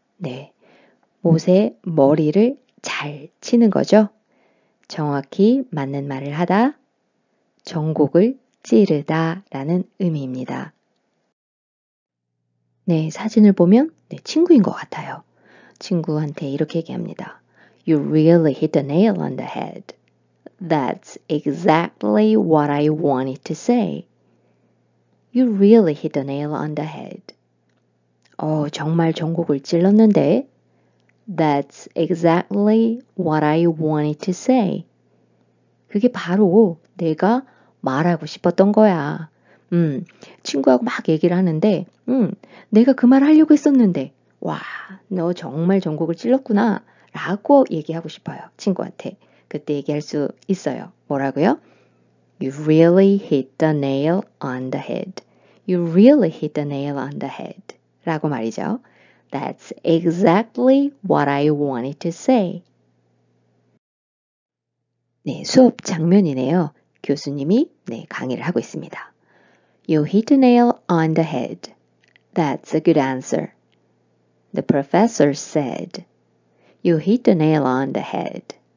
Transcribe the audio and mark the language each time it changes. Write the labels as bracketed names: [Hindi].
[Korean] 네, 못의 머리를 잘 치는 거죠. 정확히 맞는 말을 하다, 정곡을 찌르다 라는 의미입니다. 네, 사진을 보면 네, 친구인 것 같아요. 친구한테 이렇게 얘기합니다. [English] You really hit the nail on the head. That's exactly what I wanted to say. You really hit the nail on the head. [Korean] 정말 정곡을 찔렀는데. [English] That's exactly what I wanted to say. [Korean] 그게 바로 내가 말하고 싶었던 거야. 친구하고 막 얘기를 하는데, 내가 그 말을 하려고 했었는데, 와, 너 정말 정곡을 찔렀구나, 라고 얘기하고 싶어요, 친구한테. 그때 얘기할 수 있어요. 뭐라고요? [English] You really hit the nail on the head. You really hit the nail on the head. [Korean] 라고 말이죠. [English] That's exactly what I wanted to say. [Korean] 네, 수업 장면이네요. 교수님이 네, 강의를 하고 있습니다. [English] You hit the nail on the head. That's a good answer. The professor said, You hit the nail on the head.